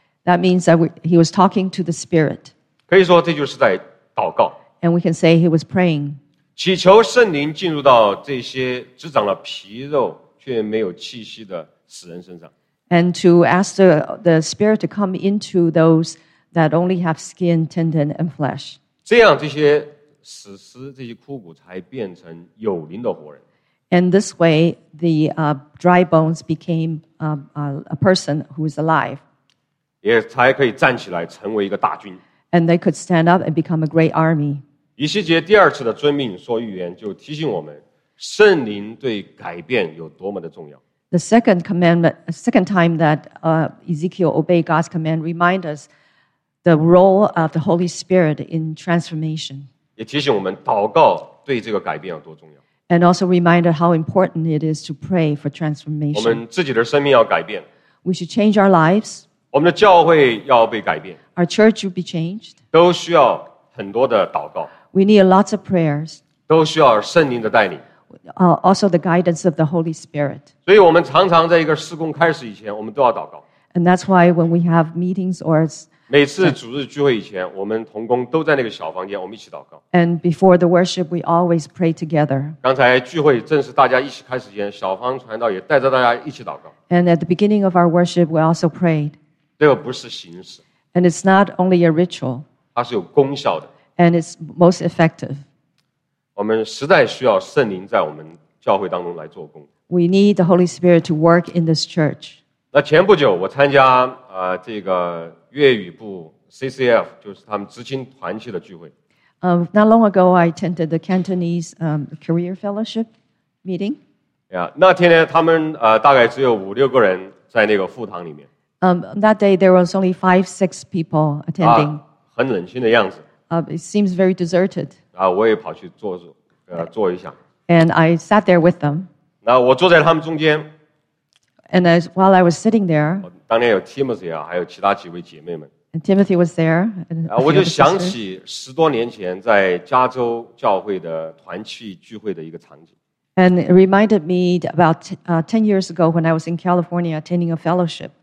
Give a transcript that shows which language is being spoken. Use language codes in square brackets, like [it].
[en] That means that he was talking to the spirit. [zh] 可以说这就是在祷告。 [en] And we can say he was praying. [zh] 祈求圣灵进入到这些只长了皮肉却没有气息的死人身上。 [en] And to ask the spirit to come into those that only have skin, tendon, and flesh. [zh] 这样这些死尸这些枯骨才变成有灵的活人。 [en] And this way, the dry bones became a person who is alive. [zh] 也才可以站起来成为一个大军。 [en] And they could stand up and become a great army. [zh] 以西结第二次的遵命说预言，就提醒我们圣灵对改变有多么的重要。 [en] The second commandment, second time that Ezekiel obeyed God's command, remind us the role of the Holy Spirit in transformation. [zh] 也提醒我们祷告对这个改变有多重要。 [en] And also remind us how important it is to pray for transformation. [zh] 我们自己的生命要改变。 [en] We should change our lives. [zh] 我们的教会要被改变。 [en] Our church should be changed. [zh] 都需要很多的祷告。 [en] We need lots of prayers. [zh] 都需要圣灵的带领。 [en] Also the guidance of the Holy Spirit. [zh] 所以我们常常在一个事工开始以前，我们都要祷告。 [en] And that's why when we have meetings or [zh] 每次主日聚会以前，我们同工都在那个小房间，我们一起祷告。 [en] And before the worship, we always pray together. [zh] 刚才聚会正是大家一起开始前，小方传道也带着大家一起祷告。 [en] And at the beginning of our worship, we also prayed. [zh] 这个不是形式。 [en] And it's not only a ritual. [zh] 它它是有功效的。 [en] And it's most effective. [zh] 我们实在需要圣灵在我们教会当中来做工。 [en] We need the Holy Spirit to work in this church. [zh] 那前不久我参加、这个粤语部 CCF, 就是他们执行团契的聚会。 [en] Not long ago, I attended the Cantonese Career Fellowship meeting. [zh] Yeah, 那天呢，他们、大概只有五六个人在那个副堂里面。 [en] That day, there was only 5-6 people attending.、 [zh] 很冷清的样子。 [en] It seems very deserted. [zh] 啊，我也跑去坐坐，坐一下。 [en] And I sat there with them. [zh] 那我坐在他们中间。 [en] And as while I was sitting there, [zh] 当年有 Timothy 啊，还有其他几位姐妹们。 [en] And Timothy was there. [zh] 我就想起十多年前在加州教会的团契聚会的一个场景。 [en] And it reminded me about 10 years ago when I was in California attending a fellowship.